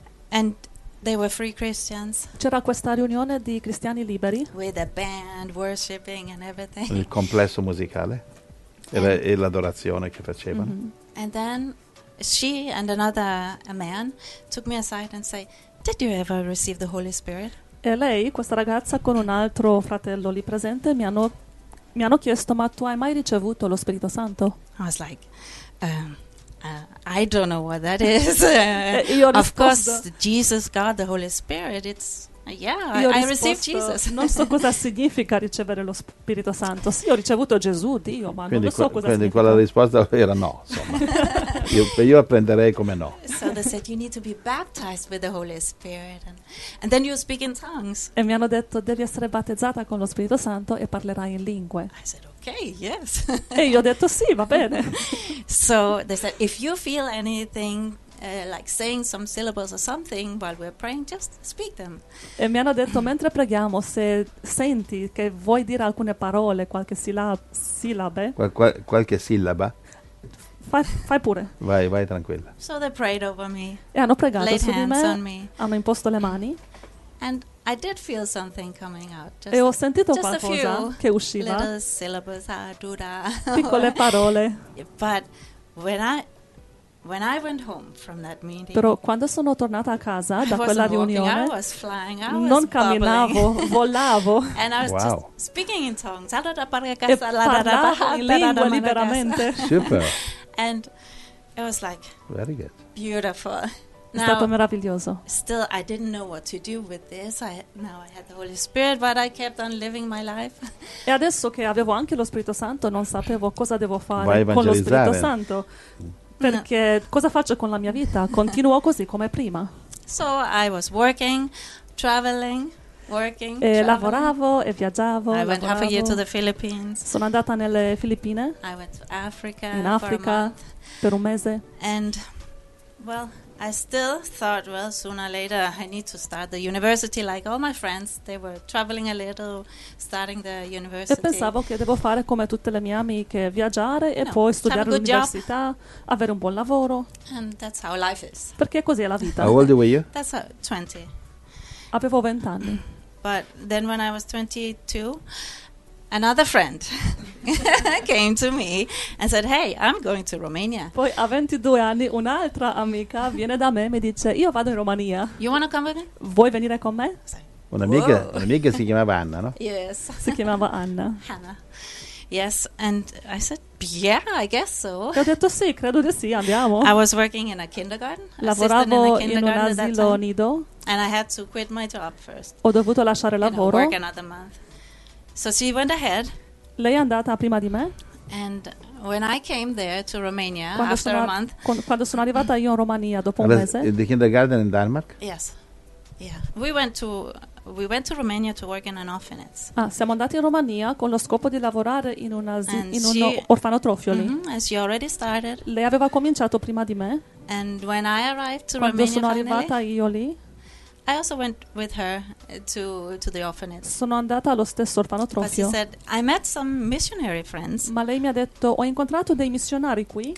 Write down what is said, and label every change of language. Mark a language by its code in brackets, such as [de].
[en] And they were free Christians. [it] C'era questa riunione di cristiani liberi. [en] With a band worshiping and everything. [it] Il complesso musicale e l'adorazione che facevano. Mm-hmm. [en] And then she and another a man took me aside and say, "Did you ever receive the Holy Spirit?" [it] E lei, questa ragazza con un altro fratello lì presente, mi hanno chiesto, "Ma tu hai mai ricevuto lo Spirito Santo?" [en] I was like, I don't know what that is. [it] Io risposto, [en] of course, Jesus, God, the Holy Spirit. It's yeah. [it] Io [en] I received Jesus. [it] Non so cosa significa ricevere lo Spirito Santo. Sì, ho ricevuto Gesù, Dio, ma quindi non lo so cosa quindi significa. Quella risposta era no. Insomma, io apprenderei come no. [en] So they said you need to be baptized with the Holy Spirit, and then you speak in tongues. [it] E mi hanno detto devi essere battezzata con lo Spirito Santo e parlerai in lingue. [en] I said, okay, yes. [it] E io ho detto sì, va bene. [en] So they said, if you feel anything, like saying some syllables or something while we're praying, just speak them. [it] E mi hanno detto, mentre preghiamo, se senti che vuoi dire alcune parole, qualche sillabe. Qualche sillaba. Fai pure. Vai tranquilla. [en] So they prayed over me. [it] E hanno pregato [en] laid [it] su di me, [en] on me. [it] Hanno imposto le mani. [en] And I did feel something coming out. Just, [it] e ho sentito qualcosa che usciva. [en] Little syllables, dura. [it] Piccole parole. [en] But when I went home from that meeting. [it] Però quando sono tornata a casa da quella riunione, [en] I was flying, I [it] non [en] was [it] camminavo, [en] bubbling. [it] Volavo. [en] And I was wow. Just speaking in tongues. [it] E parlavo in lingua liberamente. Super. [en] And it was like very good. Beautiful. [it] È stato [en] now, [it] meraviglioso. [en] Still I didn't know what to do with this. I had the Holy Spirit, but I kept on living my life. [it] E adesso che avevo anche lo Spirito Santo, non sapevo cosa devo fare con lo Spirito Santo. Perché no. Cosa faccio con la mia vita? Continuo così come prima. [en] So I was working, traveling, working, [it] e [en] traveling. [it] Lavoravo e viaggiavo. [en] I went half a year to the Philippines. [it] Sono andata nelle Filippine. [en] I went to Africa. [it] In Africa per un mese. [en] And well, I still thought, well, sooner or later I need to start the university like all my friends. They were traveling a little, starting the university. [it] E pensavo che devo fare come tutte le mie amiche, viaggiare e no, poi studiare all'università, avere un buon lavoro. [en] And that's how life is. [it] Perché così è la vita. [en] How old were you? That's 20. [it] Avevo 20 anni. [en] But then when I was 22, another friend came to me and said, "Hey, I'm going to Romania." [it] Poi a 22 anni un'altra amica viene da me e mi dice, "Io vado in Romania." [en] You want to come with me? [it] Vuoi venire con me? Un'amica, un'amica si chiamava Anna, no? [en] Yes. [it] Si chiamava Anna. [en] Hannah. Yes, and I said, "Yeah, I guess so." [it] Ho detto sì, credo di sì, andiamo. [en] I was working in a kindergarten. [it] Lavoravo in un asilo nido. [en] And I had to quit my job first. [it] Ho dovuto lasciare il lavoro. [en] Work another month. So she went ahead. [it] Lei è andata prima di me. [en] And when I came there to Romania after a month. [it] Quando sono arrivata io in Romania dopo un mese. [en] In the kindergarten in Denmark? Yes. Yeah. We went to Romania to work in an orphanage. [it] Ah, siamo andati in Romania con lo scopo di lavorare in un orfanotrofio lì. [en] Mm-hmm, and she already started. [it] Lei aveva cominciato prima di me. [en] And when I arrived to Romania, [it] quando sono arrivata io lì, [en] I also went with her to the orphanage. [it] Sono andata allo stesso orfanotrofio. [en] But she said, "I met some missionary friends." [it] Ma lei mi ha detto, ho incontrato dei missionari qui.